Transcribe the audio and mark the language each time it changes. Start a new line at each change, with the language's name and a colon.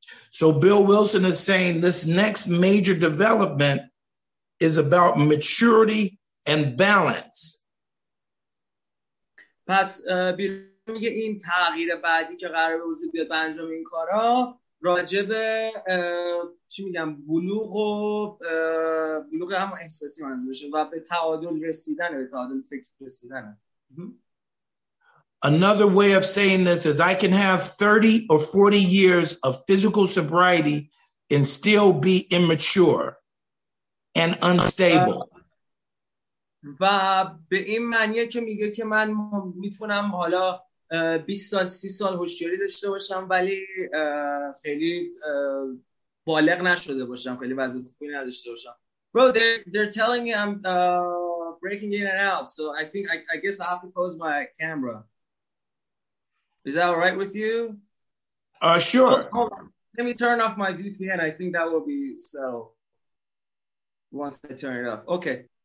English: So Bill Wilson is saying this next major development is about maturity and balance.
Persian: پس بیرون میگه این تغییر بعدی که قرار به وجود بیاد به انجام این کارا راجب چی میگم بلوغ و بلوغ هم احساسی منظورشه و به تعادل رسیدن، به تعادل فکر رسیدن.
English: Another way of saying this is I can have 30 or 40 years of physical sobriety and still be immature and unstable.
Persian: و به این معنیه که میگه که من میتونم حالا 20 سال 30 سال هوشیاری داشته باشم ولی خیلی بالغ نشده باشم، خیلی وضع خوبی نداشته باشم.
English: Bro, they're telling me I'm breaking in and out, so I guess I have to close my camera. Is that all right with you? Sure. Let me turn off my VPN. I think that will be so. Once I turn it off. Okay.